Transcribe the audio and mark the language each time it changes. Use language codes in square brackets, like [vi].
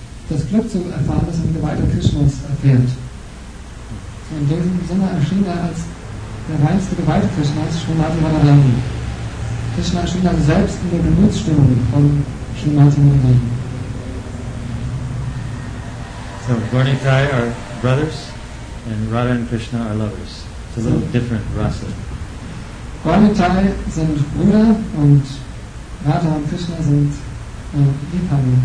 [de] Das Glück zu erfahren, dass ein geweihter Krishna erfährt. So in diesem Sinne erschien er als der reinste geweihte Krishna, Srimati Radharani. Krishna erschien dann selbst in der Gemütsstimmung von Srimati Radharani. [en] So, Gornitai are brothers, and Radha and Krishna are lovers. It's a little different rasa. [de] Gornitai sind Brüder und Radha und Krishna sind Liebhaber.